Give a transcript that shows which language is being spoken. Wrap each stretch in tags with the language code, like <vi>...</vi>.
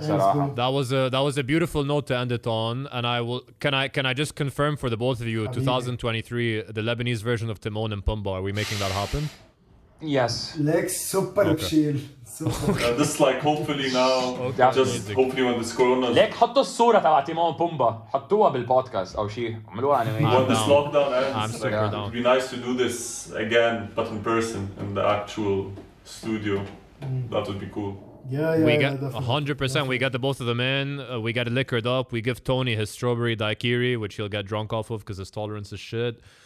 <en>That was a beautiful note to end it on. And I will. Can I just confirm for the both of you, 2023, the Lebanese version of Timon and Pumbaa? Are we making that happen? Yes. Legs super chill. Just like hopefully now, hopefully when this corona.</en> <ar>Leg, حطوا الصورة تبع تيمون بومبا حطوها بالبودكاست أو شيء عملوها أنا.</ar> <en>When this lockdown ends, it'd be nice to do this again, but in person, in the actual studio. That would be cool. We get 100%. We get the both of them in. We get liquored up. We give Tony his strawberry daiquiri, which he'll get drunk off of because his tolerance is shit.</en>